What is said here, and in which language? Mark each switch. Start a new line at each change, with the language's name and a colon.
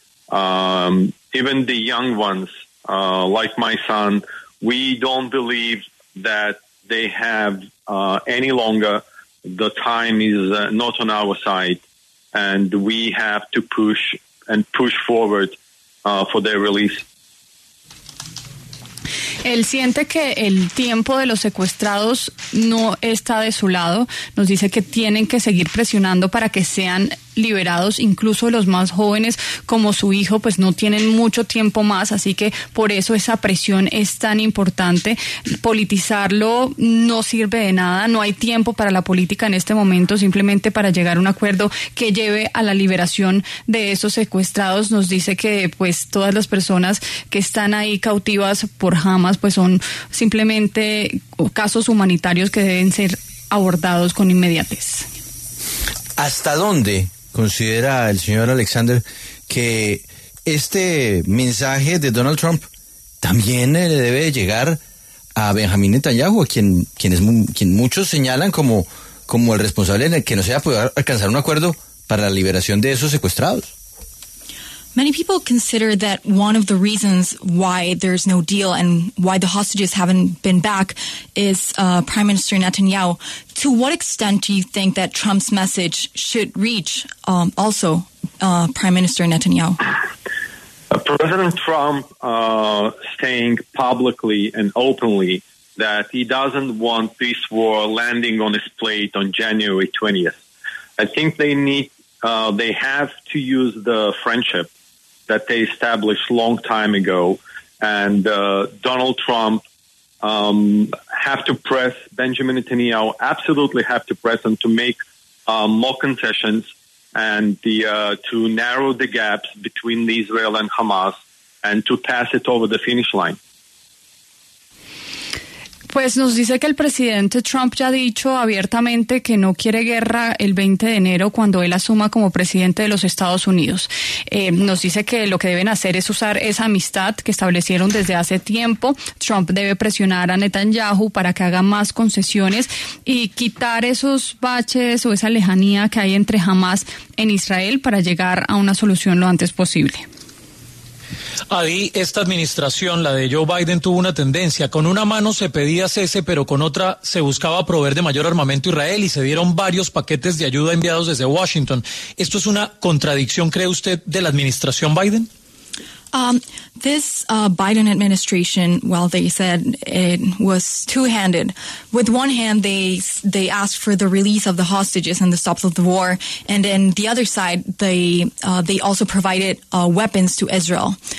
English: Even the young ones, like my son, we don't believe that they have any longer. The time is not on our side, and we have to push forward for their release.
Spanish: Él siente que el tiempo de los secuestrados no está de su lado. Nos dice que tienen que seguir presionando para que sean liberados, incluso los más jóvenes como su hijo, pues no tienen mucho tiempo más, así que por eso esa presión es tan importante. Politizarlo no sirve de nada, no hay tiempo para la política en este momento, simplemente para llegar a un acuerdo que lleve a la liberación de esos secuestrados. Nos dice que pues todas las personas que están ahí cautivas por Hamas pues son simplemente casos humanitarios que deben ser abordados con inmediatez. ¿Hasta dónde considera el señor Alexander que este mensaje de Donald Trump también le debe llegar a Benjamín Netanyahu, quien muchos señalan como el responsable en el que no se haya podido alcanzar un acuerdo para la liberación de esos secuestrados?
English: Many people consider that one of the reasons why there's no deal and why the hostages haven't been back is Prime Minister Netanyahu. To what extent do you think that Trump's message should reach also Prime Minister Netanyahu? President Trump saying publicly and openly that he doesn't want this war landing on his plate on January 20th. I think they have to use the friendship that they established long time ago. And Donald Trump have to press Benjamin Netanyahu, absolutely have to press him to make more concessions and to narrow the gaps between Israel and Hamas and to pass it over the finish line.
Spanish: Pues nos dice que el presidente Trump ya ha dicho abiertamente que no quiere guerra el 20 de enero cuando él asuma como presidente de los Estados Unidos. Nos dice que lo que deben hacer es usar esa amistad que establecieron desde hace tiempo. Trump debe presionar a Netanyahu para que haga más concesiones y quitar esos baches o esa lejanía que hay entre Hamas en Israel para llegar a una solución lo antes posible. Adi, esta administración, la de Joe Biden, tuvo una tendencia. Con una mano se pedía cese, pero con otra se buscaba proveer de mayor armamento a Israel y se dieron varios paquetes de ayuda enviados desde Washington. ¿Esto es una contradicción, cree usted, de la administración Biden?
English: This Biden administration, well, they said it was two-handed. With one hand, they asked for the release of the hostages and the stop of the war, and then the other side, they also provided weapons to Israel.